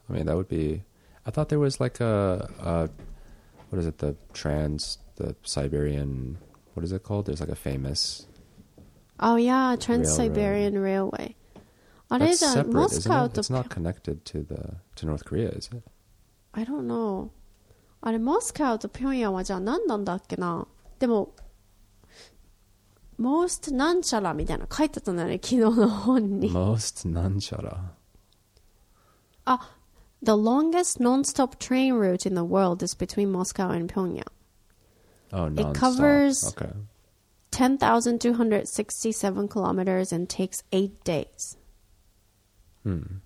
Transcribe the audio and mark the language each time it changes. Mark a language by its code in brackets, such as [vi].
[en] I mean, that would be, I thought there was like a what is it, the Siberian, what is it called? There's like a famous. Oh, yeah, Trans-Siberian Railway. That's separate, Moscow isn't it? It's not connected to North Korea, is it? I don't know. [ja] あれ、Moscow と Pyongyang はじゃあ何なんだっけな。でも、Most なんちゃらみたいな書いてたんだね、昨日の本に。 Most なんちゃら。 [en] あ、The longest non-stop train route in the world is between Moscow and Pyongyang. Oh, non-stop. It covers okay. 10,267 kilometers and takes 8 days. Hmm.